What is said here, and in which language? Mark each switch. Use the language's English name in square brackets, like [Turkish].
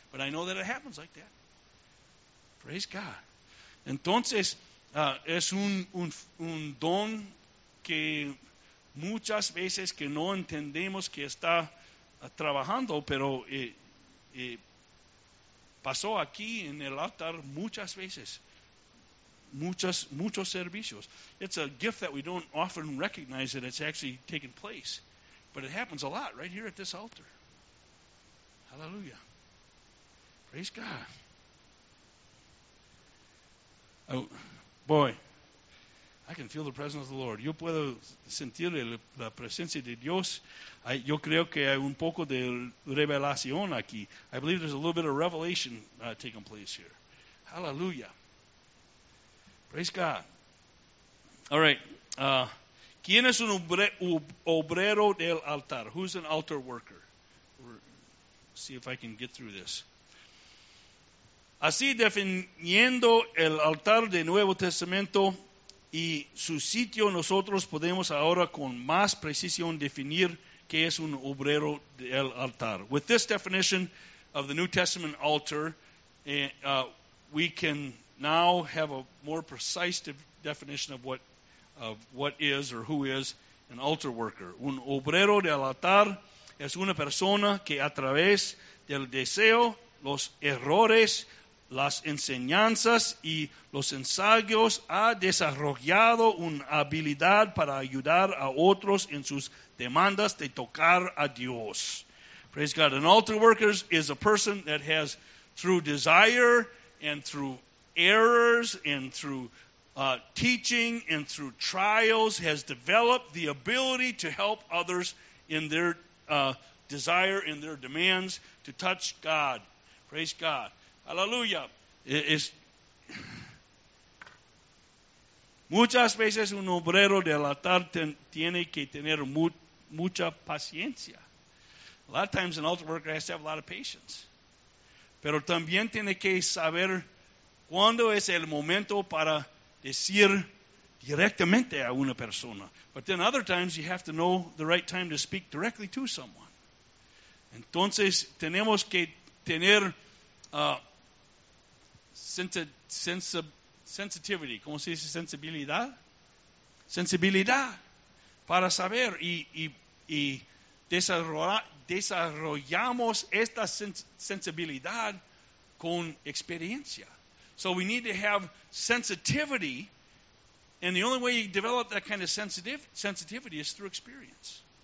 [English] But I know that it happens like that. Praise God. [Spanish] Entonces, es un don que muchas veces que no entendemos que está trabajando, pero pasó aquí en el altar muchas veces. Muchos servicios. [English] It's a gift that we don't often recognize that it's actually taking place. But it happens a lot right here at this altar. Hallelujah. Praise God. Oh, boy. I can feel the presence of the Lord. [Spanish] Yo puedo sentir la presencia de Dios. Yo creo que hay un poco de revelación aquí. [English] I believe there's a little bit of revelation taking place here. Hallelujah. Praise God. All right. [Spanish] ¿Quién es un obrero del altar? [English] Who's an altar worker? See if I can get through this. [Spanish] Así definiendo el altar del Nuevo Testamento y su sitio, nosotros podemos ahora con más precisión definir qué es un obrero del altar. With this definition of the New Testament altar, we can now have a more precise definition of what is or who is an altar worker. Un obrero del altar es una persona que a través del deseo, los errores, las enseñanzas y los ensayos ha desarrollado una habilidad para ayudar a otros en sus demandas de tocar a Dios. [English] Praise God. An altar worker is a person that has, through desire and through errors and through teaching and through trials, has developed the ability to help others in their desire, in their demands to touch God. Praise God. Aleluya. [Spanish] Es, muchas veces un obrero del altar tiene que tener mucha paciencia. [English] A lot of times an altar worker has to have a lot of patience. [Spanish] Pero también tiene que saber cuándo es el momento para decir directamente a una persona. [English] But then other times you have to know the right time to speak directly to someone. [Spanish] Entonces tenemos que tener sensitivity, ¿cómo se dice? Sensibilidad para saber y desarrollamos esta sensibilidad con experiencia. [English] So we need to have sensitivity, and the only way you develop that kind of sensitivity is through experience.